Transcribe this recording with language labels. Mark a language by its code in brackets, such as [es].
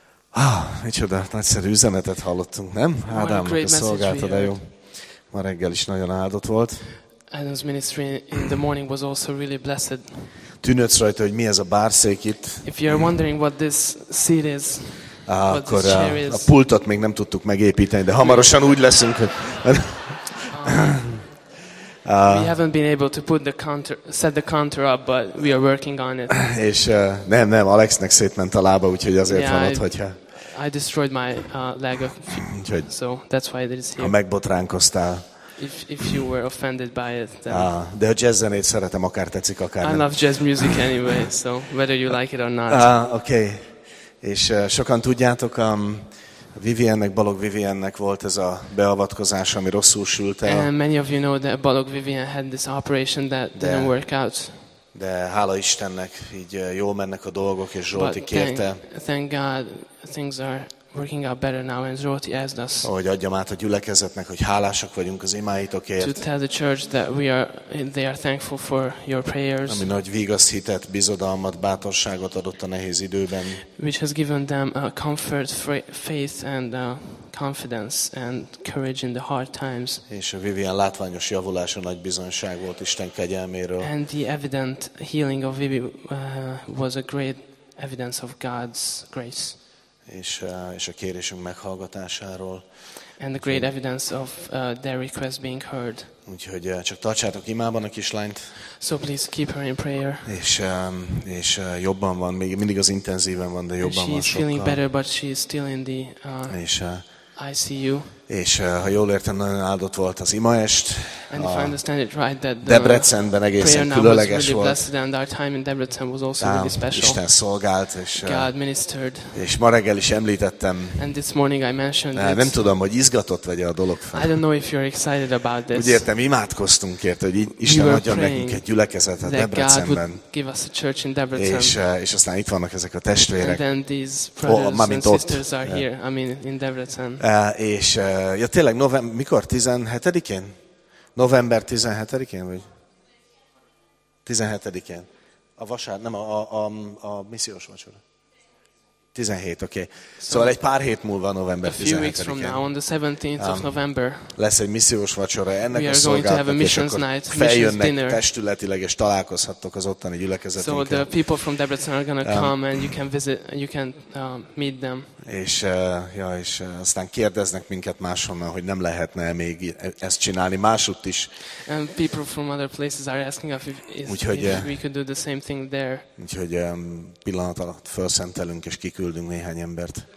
[hu] Ah, micsoda, nagyszerű üzenetet hallottunk, nem? Ádámnak a szolgálta, de jó. Ma reggel is nagyon áldott volt. [en] Adam's ministry in the morning was also really blessed. [hu] Tűnődsz rajta, hogy mi ez a bárszék itt. [en] If you're wondering what this seat is, [hu] akkor [en] what this chair is. [hu] A pultot még nem tudtuk megépíteni, de hamarosan úgy leszünk, hogy... [en] We haven't been able to put the counter, set the counter up, but we are working on it. [hu] És nem, Alexnek szétment a lába, úgyhogy azért van ott, hogyha... [en] I destroyed my leg, so that's why it is here. [hu] Ha megbotránkoztál. [en] If you were offended by it, then... [hu] De a jazz zenét szeretem, akár tetszik, akár [en] I [hu] nem. [en] I love jazz music anyway, so whether you like it or not. Okay. [hu] És sokan tudjátok, Viviennek, Balogh Viviennek volt ez a beavatkozás, ami rosszul sült el. [en] And many of you know that Balogh Vivien had this operation that didn't work out. [hu] De hála Istennek, így jól mennek a dolgok, és Zsolti kérte. [en] Thank God, things are working out better now, and Zsolti asked us. [hu] Hogy adjam át a gyülekezetnek, hogy hálásak vagyunk az imáitokért. [en] To tell the church that they are thankful for your prayers. [hu] Ami nagy vigaszt, hitet, bizodalmat, bátorságot adott a nehéz időben. [en] Which has given them a comfort, faith, and confidence and courage in the hard times. [hu] És a Vivien látványos javulása nagy bizonyság volt Isten kegyelméről. [en] And the evident healing of Vivi was a great evidence of God's grace. [hu] És a kérésünk meghallgatásáról. [en] And the great evidence of their request being heard. [hu] Úgyhogy csak tartsátok imában a kislányt. [en] So please keep her in prayer. [hu] És jobban van, még mindig az intenzíven van, de jobban van sokkal. [en] She is feeling better, but she is still in the ICU. [hu] És ha jól értem, nagyon áldott volt az imaest. [en] And if I understand it right, that the [hu] Debrecenben egészen különleges [en] really [hu] volt. [en] Blessed, and our time in Debrecen was also really special. [hu] Isten szolgált, és [en] God ministered. [hu] És ma reggel is említettem. [en] And this morning I mentioned [hu] nem tudom, hogy izgatott vagy a dolog fel. [en] I don't know if you're excited about this. [hu] Úgy értem, imádkoztunk érte, hogy Isten adja nekünk egy gyülekezetet [en] that [hu] Debrecenben. [en] God would give us a church in Debrecen. [hu] És aztán itt vannak ezek a testvérek. [en] And then these brothers and sisters are here. I mean, in Debrecen. [hu] Ja tényleg, mikor? 17-én? November 17-én, vagy? 17-én. A vasár, nem, a missziós vacsora. 17, oké. Okay. Szóval egy pár hét múlva november 17-én. [en] A few weeks from now, on the 17th of November. [hu] Lesz egy missziós vacsora, ennek a szolgálatnak, és akkor feljönnek testületileg, és találkozhattok az ottani gyülekezetünkkel. [en] So the people from Debrecen are going to come, and you can visit, you can meet them. [hu] És aztán kérdeznek minket máshonnan, hogy nem lehetne még ezt csinálni másutt is. [en] And people from other places are asking us if we could do the same thing there. [hu] Úgyhogy pillanat alatt felszentelünk és kiküldünk néhány embert.